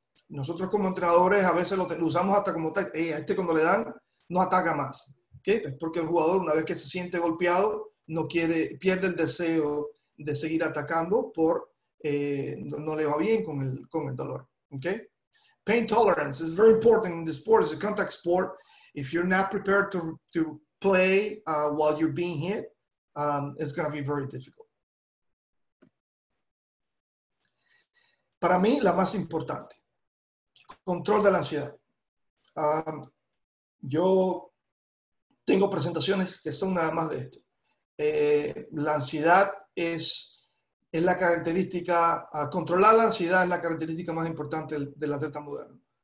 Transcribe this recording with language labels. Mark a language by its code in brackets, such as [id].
[es] Nosotros como entrenadores a veces lo usamos hasta como tal. Este cuando le dan, no ataca más. ¿Okay? Pues porque el jugador, una vez que se siente golpeado, no quiere, pierde el deseo de seguir atacando por no le va bien con el dolor. ¿Okay? [en] Pain tolerance is very important in this sport. It's a contact sport. If you're not prepared to play while you're being hit, it's going to be very difficult. [es] Para mí, la más importante, control de la ansiedad. Yo tengo presentaciones que son nada más de esto. La ansiedad es la característica, controlar la ansiedad es la característica más importante del atleta moderno.